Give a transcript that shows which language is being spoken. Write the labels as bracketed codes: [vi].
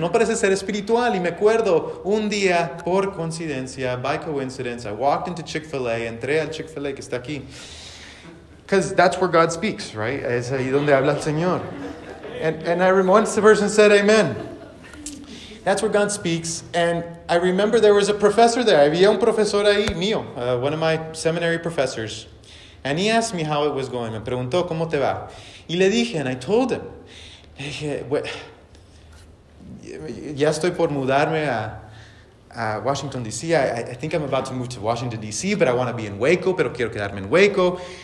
[es] No parece ser espiritual. Y me acuerdo un día, por coincidencia, [en] by coincidence, I walked into Chick-fil-A, [es] entré al Chick-fil-A que está aquí. [en] Because that's where God speaks, right? [es] Es ahí donde habla el Señor. [en] And I remember once the person said amen. That's where God speaks. And I remember there was a professor there. [es] Había un profesor ahí mío, [en] one of my seminary professors. And he asked me how it was going. [es] Me preguntó, ¿cómo te va? Y le dije, [en] and I told him, [es] ya estoy por mudarme a Washington, D.C. [en] I think I'm about to move to Washington, D.C., but I want to be in Waco, [es] pero quiero quedarme en Waco.